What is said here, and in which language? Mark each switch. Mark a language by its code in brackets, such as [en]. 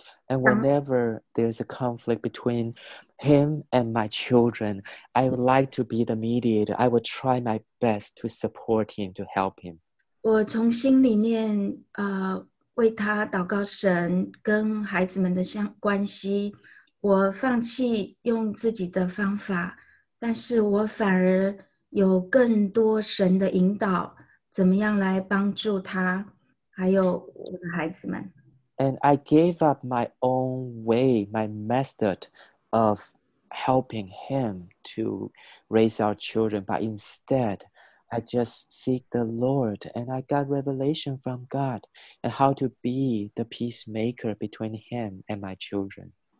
[en] And whenever there's a conflict between him and my children, I would like to be the mediator. I would try my best to support him, to help him. [zh] 我从心里面, 为他祷告神跟孩子们的关系, 我放弃用自己的方法, 但是我反而有更多神的引导, 怎么样来帮助他, 还有我的孩子们。 [en] And I gave up my own way, my method of helping him to raise our children. But instead, I just seek the Lord and I got revelation from God and how to be the peacemaker between him and my children.